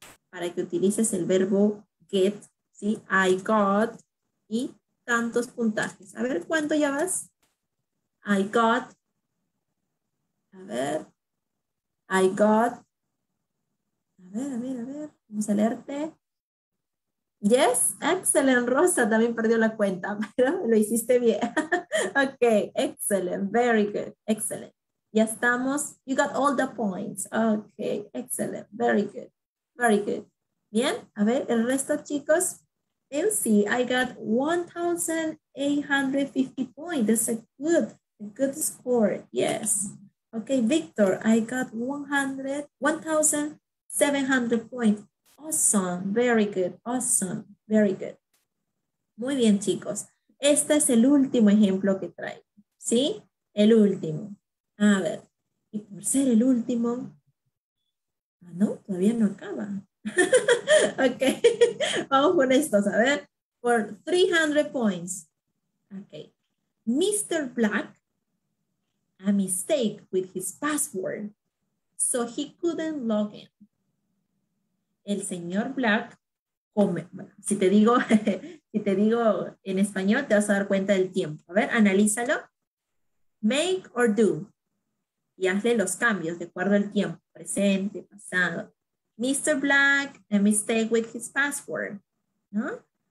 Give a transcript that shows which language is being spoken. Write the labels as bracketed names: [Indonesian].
[Spanish] Para que utilices el verbo get, ¿sí? [English] I got [Spanish] y tantos puntajes. A ver, ¿cuánto ya vas? [English] I got, [Spanish] a ver, I got, a ver, a ver, a ver, vamos a leerte. [English] Yes, excellent, [Spanish] Rosa también perdió la cuenta, pero lo hiciste bien. [English] Ok, excellent, very good, excellent. [Spanish] Ya estamos, [English] you got all the points. Ok, excellent, very good, very good. [Spanish] Bien, a ver, el resto, chicos. Elsie, [English] I got 1,850 points. That's a good score. Yes. Okay, Victor, I got 1,700 points. Awesome. Very good. Awesome. Very good. [Spanish] Muy bien, chicos. Este es el último ejemplo que traigo. ¿Sí? El último. A ver. Y por ser el último. Ah, no, todavía no acaba. Okay, vamos con estos, a ver, por [English] 300 points. Okay, Mr. Black, a mistake with his password, so he couldn't log in. [Spanish] El señor Black, come, bueno, si te digo, si te digo en español, te vas a dar cuenta del tiempo. A ver, analízalo. [English] Make or do. [Spanish] Y hazle los cambios de acuerdo al tiempo, presente, pasado. [English] Mr. Black, a mistake with his password, [Spanish] ¿no?